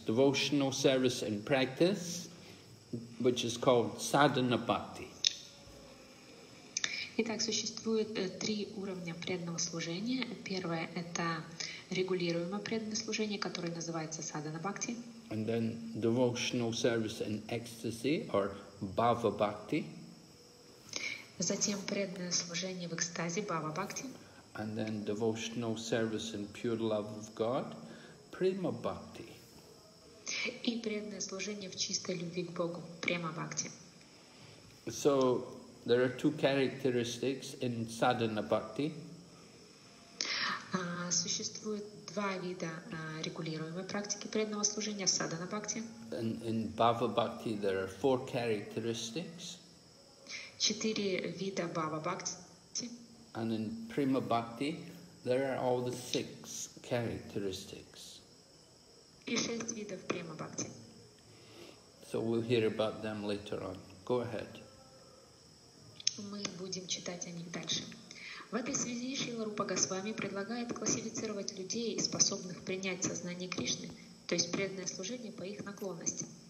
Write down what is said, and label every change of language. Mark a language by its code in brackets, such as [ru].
[en] Devotional service in practice, which is called sadhana bhakti. [ru] Итак, существует три уровня преданного служения. Первое – это регулируемое преданное служение, которое называется sadhana bhakti. [en] And then devotional service in ecstasy or bhava bhakti. [ru] Затем преданное служение в экстазе – bhava bhakti. [en] And then devotional service in pure love of God, prema bhakti. [ru] И преданное служение в чистой любви к Богу, prema bhakti. [en] So there are two characteristics in sadhana bhakti. [ru] Существует два вида регулируемой практики преданного служения, садхана бхакти. [en] In bhava bhakti there are four characteristics. [ru] Четыре вида бхава бхакти. [en] And in prema bhakti there are all the six characteristics. [ru] И шесть видов према бхакти. [en] So we'll hear about them later on. Go ahead. [ru] Мы будем читать о них дальше. В этой связи Шрила Рупа Госвами предлагает классифицировать людей, способных принять сознание Кришны, то есть преданное служение по их наклонности.